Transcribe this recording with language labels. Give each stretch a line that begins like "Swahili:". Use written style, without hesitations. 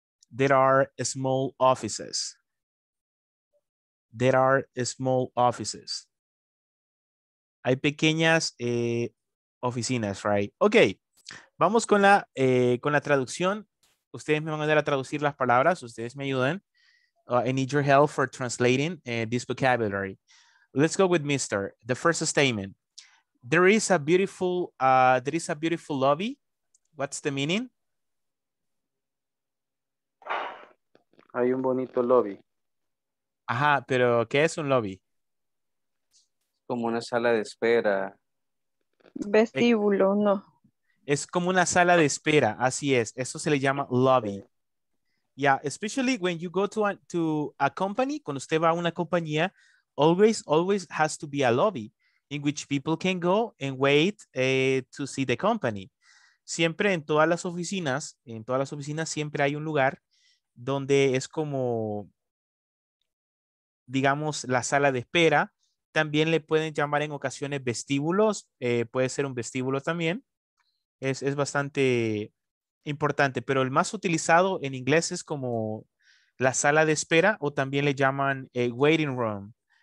English: There are small offices. There are small offices.
Spanish: Hay pequeñas oficinas,
English: right? Ok.
Spanish: Vamos con la traducción. Ustedes me van a ayudar a traducir las palabras. Ustedes me ayudan.
English: I need your help for translating this vocabulary. Let's go with Mr. The first statement. There is a beautiful lobby. What's the meaning?
Spanish: Hay un bonito lobby. Ajá, pero ¿qué es un lobby? Como una sala de espera. Vestíbulo, no. Es como una sala de espera, así es. Eso se le llama lobby.
English: Yeah, especially when you go to a company,
Spanish: cuando usted va a una compañía,
English: always has to be a lobby in which people can go and wait to see the company.
Spanish: Siempre en todas las oficinas, siempre hay un lugar donde es como, digamos, la sala de espera. También le pueden llamar en ocasiones vestíbulos, puede ser un vestíbulo también. Es bastante importante, pero el más utilizado en inglés es como la sala de espera, o también le llaman waiting room.